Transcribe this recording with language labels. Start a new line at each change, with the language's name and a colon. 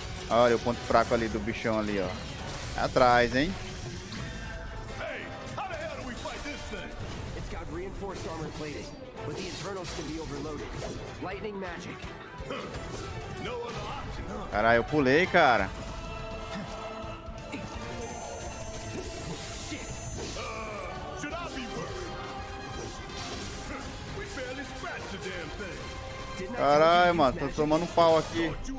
Portuguese: Olha o ponto fraco ali do bichão ali, ó. Atrás, hein?
English: Hey, how the hell do we fight this thing? It's got reinforced armor plating, but the internals can be overloaded. Lightning magic. No other option, huh?
Portuguese: Caralho, eu pulei, cara.
English: Should I be worried? We barely scratched the damn thing.
Portuguese: Caralho, mano, tô tomando um pau aqui.